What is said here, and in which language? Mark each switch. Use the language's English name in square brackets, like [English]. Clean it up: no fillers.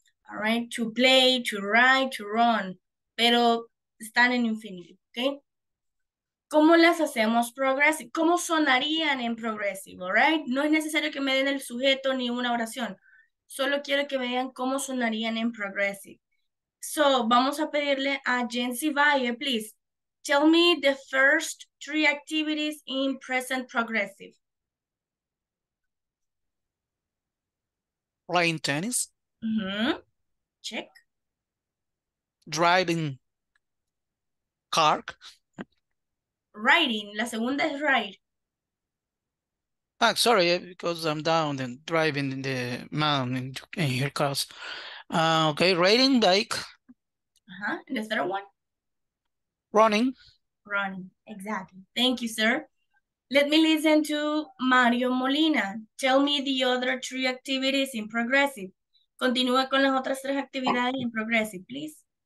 [English] All right, to play, to write, to run. [Spanish] Pero están en infinity, [English] okay? [Spanish] ¿Cómo las hacemos progressive? ¿Cómo sonarían en progressive? [English] All right? [Spanish] No es necesario que me den el sujeto ni una oración. Solo quiero que vean cómo sonarían en progressive. So, vamos a pedirle a Jency Valle, please. [English] Tell me the first three activities in present progressive. Playing tennis. Mm-hmm. Check. Driving car. [Spanish] Writing, la segunda es ride. [English] Ah, sorry, because I'm down and driving the man in your cars. Okay, riding bike. And the third one? Running. Running, exactly. Thank you, sir. Let me listen to Mario Molina. Tell me the other three activities in progressive. [Spanish] Continúa con las otras tres actividades [English] in progressive, please.